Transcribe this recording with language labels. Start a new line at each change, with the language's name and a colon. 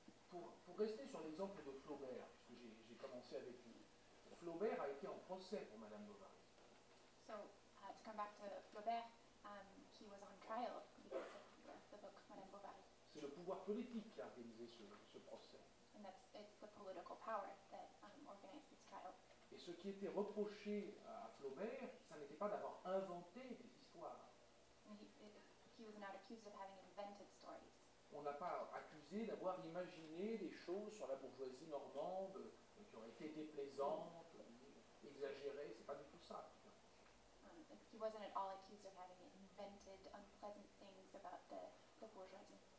French: Pour rester sur l'exemple de Flaubert, puisque j'ai commencé avec lui, Flaubert a été en procès pour Madame Bovary.
English: So, to come back to Flaubert, he was on trial because of the book Madame Bovary.
French: C'est le pouvoir politique qui a organisé ce procès.
English: And it's the political power that organized this trial.
French: Et ce qui était reproché à Flaubert, ça n'était pas d'avoir inventé des histoires.
English: He was not accused of having invented stories.
French: On n'a pas accusé d'avoir imaginé des choses sur la bourgeoisie normande qui auraient été déplaisantes, exagérées, c'est pas du tout ça.
English: He wasn't at all accused of having invented unpleasant things about the bourgeoisie.